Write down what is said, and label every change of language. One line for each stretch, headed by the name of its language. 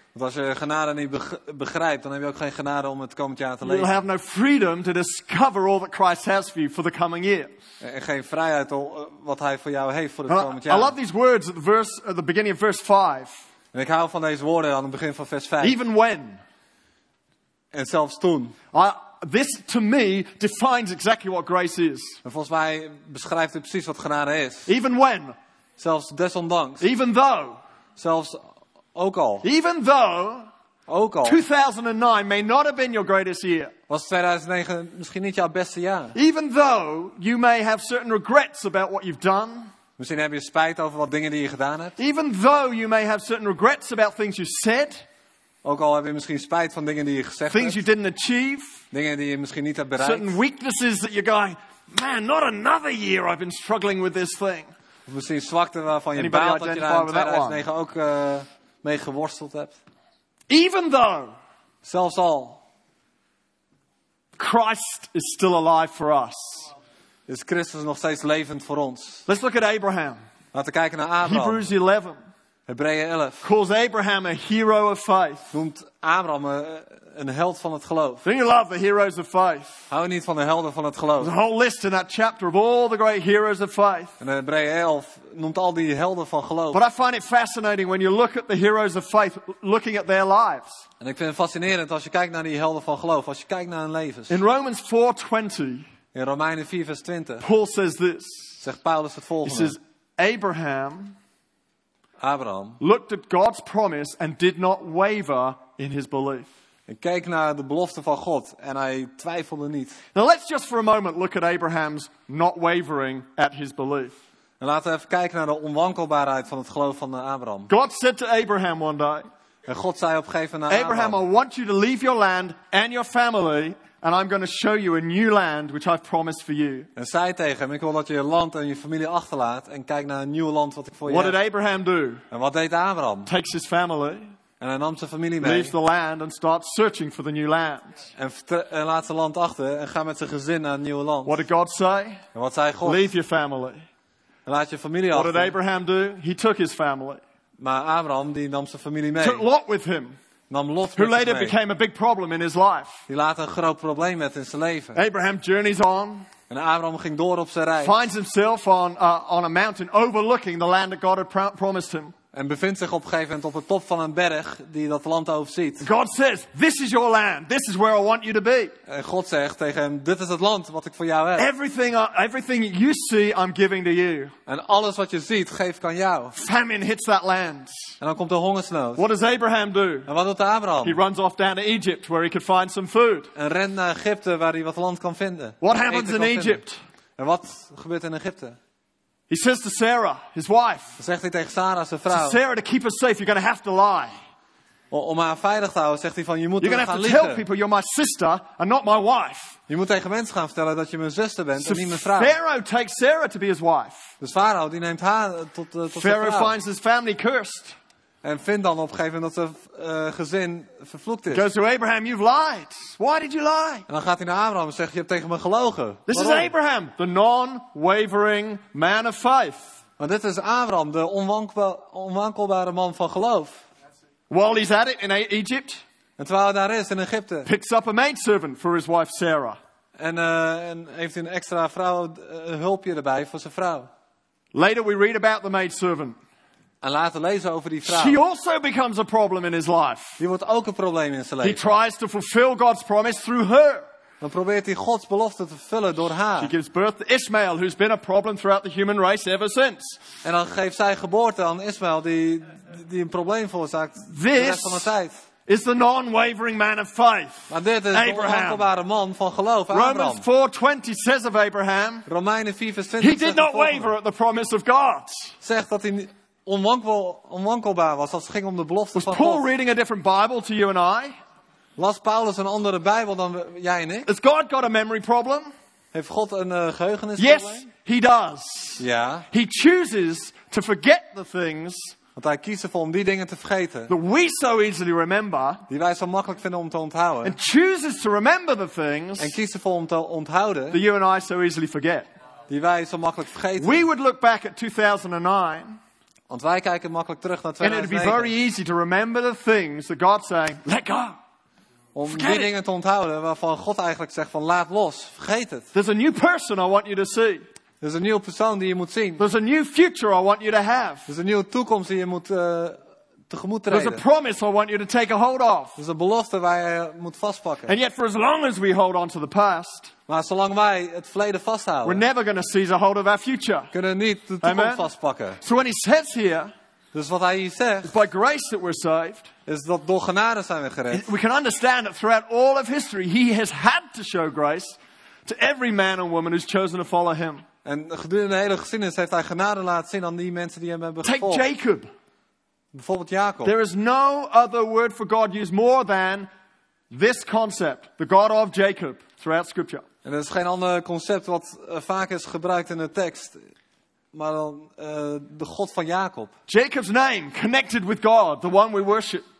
Dutch: Want als je genade niet begrijpt, dan heb je ook geen genade om het komend jaar te leven.
English: You'll have no freedom to discover all that Christ has for you for the coming year.
Dutch: En geen vrijheid om wat Hij voor jou heeft voor het komend jaar.
English: I love these words at the beginning of verse 5.
Dutch: En ik hou van deze woorden aan het begin van vers 5.
English: Even when.
Dutch: En zelfs toen.
English: This to me defines exactly what grace is.
Dutch: En volgens mij beschrijft het precies wat genade is.
English: Even when.
Dutch: Zelfs desondanks.
English: Even though.
Dutch: Zelfs ook al.
English: Even though.
Dutch: Ook al.
English: 2009 may not have been your greatest year.
Dutch: Was 2009 misschien niet jouw beste jaar?
English: Even though you may have certain regrets about what you've done.
Dutch: Misschien heb je spijt over wat dingen die je gedaan hebt.
English: Even though you may have certain regrets about things you said.
Dutch: Ook al heb je misschien spijt van dingen die je gezegd
English: things
Dutch: hebt.
English: You didn't achieve.
Dutch: Dingen die je misschien niet hebt bereikt.
English: Certain weaknesses that you're going, man, not another year I've been struggling with this thing.
Dutch: Of misschien zwakte waarvan je baalt dat je daar in 2009 ook mee geworsteld hebt.
English: Even though.
Dutch: Zelfs al.
English: Christ is still alive for us.
Dutch: Is Christus nog steeds levend voor ons.
English: Let's look at Abraham.
Dutch: Laten we kijken naar Abraham.
English: Hebrews 11.
Dutch: Hebreeën 11.
English: Calls Abraham a hero of faith.
Dutch: Noemt Abraham een held van het geloof.
English: Don't you love the heroes of faith?
Dutch: Hou niet van de helden van het geloof.
English: There's a whole list in that chapter of all the great heroes of faith.
Dutch: En Hebreeën 11 noemt al die helden van geloof.
English: But I find it fascinating when you look at the heroes of faith, looking at their lives.
Dutch: En ik vind het fascinerend als je kijkt naar die helden van geloof, als je kijkt naar hun levens.
English: In Romans 4:20.
Dutch: In Romeinen 4 vers 20.
English: Paul says this.
Dutch: Zegt Paulus het volgende.
English: He says, Abraham.
Dutch: Abraham
English: looked at God's promise and did not waver in his belief.
Dutch: Hij keek naar de belofte van God en hij twijfelde niet.
English: Now let's just for a moment look at Abraham's not wavering at his belief.
Dutch: En laten we even kijken naar de onwankelbaarheid van het geloof van Abraham.
English: God said to Abraham one day.
Dutch: En God zei op een gegeven moment naar
English: Abraham, I want you to leave your land and your family and I'm going to show you a new land which I've promised for you.
Dutch: En zei tegen hem, ik wil dat je je land en je familie achterlaat en kijk naar een nieuw land wat ik voor je
English: what
Dutch: heb.
English: What did Abraham do?
Dutch: En wat deed Abraham?
English: Takes his family.
Dutch: En hij nam zijn familie mee.
English: Leaves the land and starts searching for the new land.
Dutch: En laat zijn land achter en gaat met zijn gezin naar het nieuwe land.
English: What did God say?
Dutch: En wat zei God?
English: Leave your family.
Dutch: En laat je familie
English: what
Dutch: achter.
English: What did Abraham do? He took his family.
Dutch: Maar Abraham die nam zijn familie mee.
English: Took Lot with him.
Dutch: Nam Lot
English: who later became a big problem in his life.
Dutch: Die later een groot probleem werd in zijn leven.
English: Abraham journeys on.
Dutch: En Abraham ging door op zijn reis.
English: Finds himself on a mountain overlooking the land that God had promised him.
Dutch: En bevindt zich op een gegeven moment op de top van een berg die dat land overziet.
English: God says, this is your land. This is where I want you to be.
Dutch: En God zegt tegen hem, dit is het land wat ik voor jou heb.
English: Everything you see, I'm giving to you.
Dutch: En alles wat je ziet, geef ik aan jou.
English: Famine hits that land.
Dutch: En dan komt de hongersnood.
English: What does Abraham do?
Dutch: En wat doet Abraham?
English: He runs off down to Egypt where he could find some food.
Dutch: En rent naar Egypte waar hij wat land kan vinden.
English: What happens in Egypt?
Dutch: En wat gebeurt in Egypte?
English: He says to Sarah, his wife.
Dutch: Zegt hij tegen Sarah, zijn vrouw.
English: Sarah, to keep us safe, you're going to have to lie.
Dutch: Om haar veilig te houden, zegt hij van, je moet gaan liegen.
English: You're going to have to tell people you're my sister and not my wife.
Dutch: Je moet tegen mensen gaan vertellen dat je mijn zuster bent
English: so
Dutch: en niet mijn vrouw.
English: Pharaoh takes Sarah to be his wife.
Dutch: Dus Farao die neemt haar tot zijn vrouw.
English: Pharaoh finds his family cursed.
Dutch: En vindt dan op een gegeven moment dat zijn gezin vervloekt is.
English: Goes to Abraham, you've lied. Why did you lie?
Dutch: En dan gaat hij naar Abraham en zegt, je hebt tegen me gelogen.
English: This
Dutch: waarom?
English: Is Abraham, the non-wavering man of faith.
Dutch: Want dit is Abraham, de onwankelbare man van geloof.
English: While he's at it in Egypt.
Dutch: En terwijl hij daar is in Egypte.
English: Picks up a maidservant for his wife Sarah.
Dutch: En heeft een extra vrouw hulpje erbij voor zijn vrouw.
English: Later we read about the maidservant.
Dutch: En later lezen over die vrouw.
English: She also becomes a problem in his life.
Dutch: Die wordt ook een probleem in zijn leven.
English: He tries to fulfill God's promise through her.
Dutch: Dan probeert hij Gods belofte te vervullen door haar.
English: She gives birth to Ishmael, who's been a problem throughout the human race ever since.
Dutch: En dan geeft zij geboorte aan Ishmael, die een probleem veroorzaakt.
English: This
Dutch: de rest van de tijd.
English: Is the non-wavering man of faith.
Dutch: Maar dit is Abraham. De onwankelbare man van geloof, Abraham.
English: Romans 4:20 says of Abraham.
Dutch: Romeinen 4 vers 20.
English: He did not waver at the promise of God.
Dutch: Zegt dat hij onwankelbaar was als het ging om de belofte
English: was
Dutch: van God.
English: Was Paul reading a different Bible to you and I?
Dutch: Las Paulus een andere Bijbel dan jij en ik?
English: Has God got a memory problem?
Dutch: Heeft God een geheugenisprobleem?
English: Yes, he does.
Dutch: Ja.
English: He chooses to forget the things
Dutch: Want hij kiest ervoor om die dingen te vergeten.
English: That we so easily remember.
Dutch: Die wij zo makkelijk vinden om te onthouden.
English: And chooses to remember the things.
Dutch: En kiest ervoor om te onthouden.
English: That you and I so easily forget.
Dutch: Die wij zo makkelijk vergeten.
English: We would look back at 2009.
Dutch: Want wij kijken makkelijk terug naar 2009.
English: And it'd be very easy to remember the things that God saying, let go.
Dutch: Om die dingen te onthouden waarvan God eigenlijk zegt van laat los, vergeet het.
English: There's a new person I want you to see. There's a
Dutch: new persoon die je moet zien.
English: There's a new future I want you to have. There's a
Dutch: new toekomst die je moet tegemoet treden.
English: There's a promise I want you to take a hold of. There's a
Dutch: belofte waar je moet vastpakken.
English: And yet for as long as we hold on to the past,
Dutch: maar zolang wij het verleden vasthouden,
English: we're never going to seize a hold of our future.
Dutch: Kunnen niet de toekomst
English: Amen.
Dutch: Vastpakken.
English: So when he says here,
Dutch: dus wat hij hier zegt,
English: it's by grace that we're saved.
Dutch: Is dat door genade zijn we gered.
English: We can understand that throughout all of history, he has had to show grace to every man and woman who's chosen to follow him.
Dutch: En gedurende de hele geschiedenis heeft hij genade laten zien aan die mensen die hem hebben gevolgd.
English: Take Jacob.
Dutch: Bijvoorbeeld Jacob.
English: There is no other word for God used more than this concept, the God of Jacob, throughout scripture.
Dutch: En er is geen ander concept wat vaak is gebruikt in de tekst. Maar dan de God van Jacob.
English: Jacob's name connected with God, the one we worship.